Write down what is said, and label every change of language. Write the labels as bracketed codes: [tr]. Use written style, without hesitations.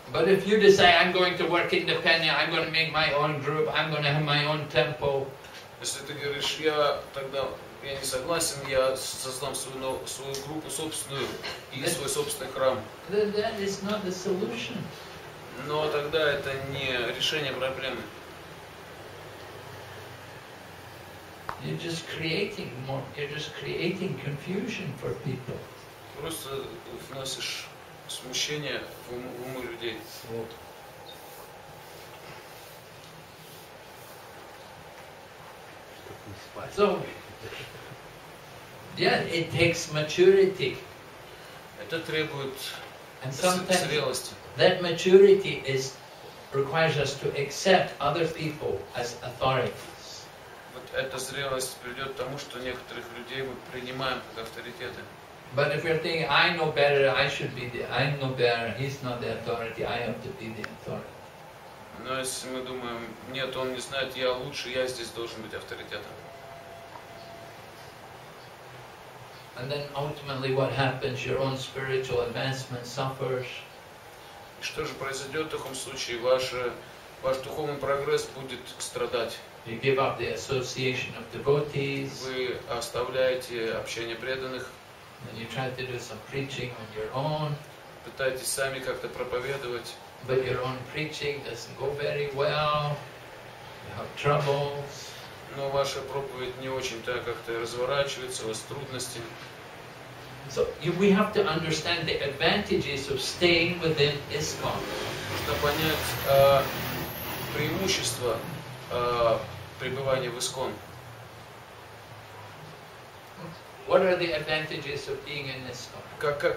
[en] But if you decide I'm going to work independently, I'm going to make my own group, I'm going to have my own temple. [ru] Если ты говоришь, я тогда я не согласен, я создам свою группу собственную и свой собственный храм. [en] That is not the solution. [ru] Но тогда это не решение проблемы. [en] You're just creating confusion for people. [ru] Просто вносишь смущение в умы людей. Вот. [en] So, yeah, it takes maturity. [ru] Это требует [en] And sometimes [ru] зрелости. [en] That maturity is requires us to accept other people as authority. [ru] Эта зрелость приведет к тому, что некоторых людей мы принимаем как авторитеты. [en] But if you're thinking I know better, I should be the I know better, he's not the authority, I have to be the authority. [ru] Но если мы думаем, нет, он не знает, я лучше, я здесь должен быть авторитетом. [en] And then ultimately what happens, your own spiritual advancement suffers. [ru] И что же произойдет в таком случае? Ваш духовный прогресс будет страдать. [en] You give up the association of devotees. [ru] Вы оставляете общение преданных. [en] And you try to do some preaching on your own. [ru] Пытаетесь сами как-то проповедовать. [en] But your own preaching doesn't go very well. You have troubles. [ru] Но ваша проповедь не очень-то как-то разворачивается, у вас трудности. [en] So we have to understand the advantages of staying within ISKCON. [ru] Нужно понять преимущество пребывание в ИСККОН. [en] What are the advantages of being in ISKCON?